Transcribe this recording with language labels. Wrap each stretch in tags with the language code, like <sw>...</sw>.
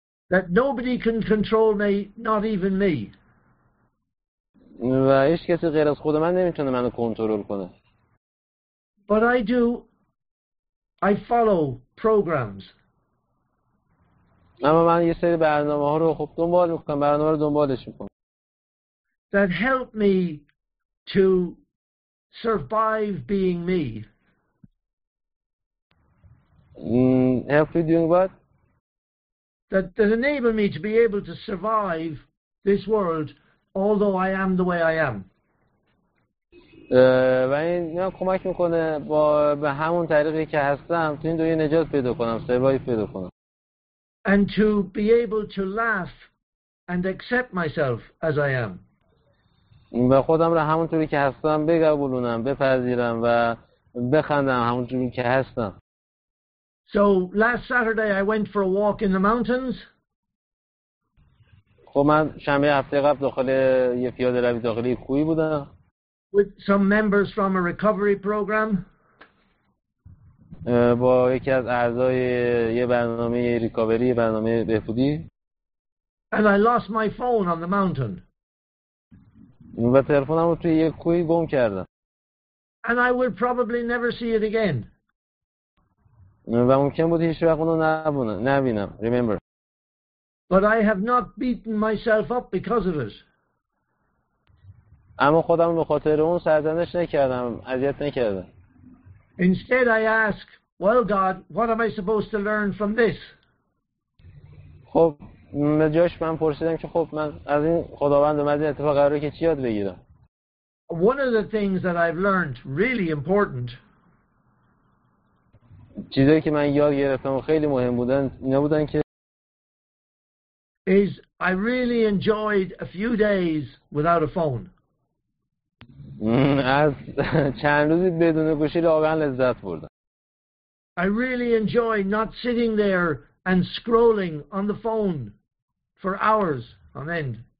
<en>That nobody can control me, not even me.</en> <fa>و هیچ کسی غیر از خود من نمیتونه منو کنترل کنه.</fa> <en>But I do. I follow programs.</en> <fa>اما من یه سری برنامه ها رو خوب دنبال میکنم، برنامه رو دنبالش میکنم.</fa> <en>That help me to survive being me. Help you doing what? That enable me to be able to survive this world, although I am the way I am.</en> <fa>و این میام کمک میکنه با به همون طریقی که هستم تو این دنیا نجات پیدا کنم، سروایو پیدا کنم.</fa> <en>And to be able to laugh and accept myself as I am.</en> <fa>و خودم را همون طوری که هستم بقبولونم، بپذیرم و بخندم همون طوری که هستم.</fa> <en>So last Saturday I went for a walk in the mountains.</en> <fa>خب من شنبه هفته قبل داخل یه پیاده روی داخل یه کوهی بودم.</fa> <en>With some members from a recovery program.</en> <fa>با یکی از اعضای یه برنامه ریکاوری، برنامه بهبودی.</fa> <en>And I lost my phone on the mountain.</en> <fa>و تلفنم رو توی یه کوهی گم کردم.</fa> <en>And I will probably never see it again.</en> <fa>و ممکن بود هیچ وقت اونو نبینم.</fa> <en>Remember. But I have not beaten myself up because of it.</en> <fa>اما خودم به خاطر اون سرزنش نکردم، اذیت نکردم.</fa> <en>Instead I ask, well God, what am I supposed to learn from this?</en> <fa>خب به جاش من پرسیدم که خب من از این خداوند و از این اتفاق قراره که چی یاد بگیرم.</fa> <en>One of the things that I've learned really important.</en> <fa>چیزایی که من یاد گرفتم و خیلی مهم بودن اینا بودن که</fa> <en>is I really enjoyed a few days without a phone.</en> <fa>از چند روزی بدون گوشی واقعا لذت بردم.</fa> <en>I really enjoy not sitting there and scrolling on the phone for hours on end.</en>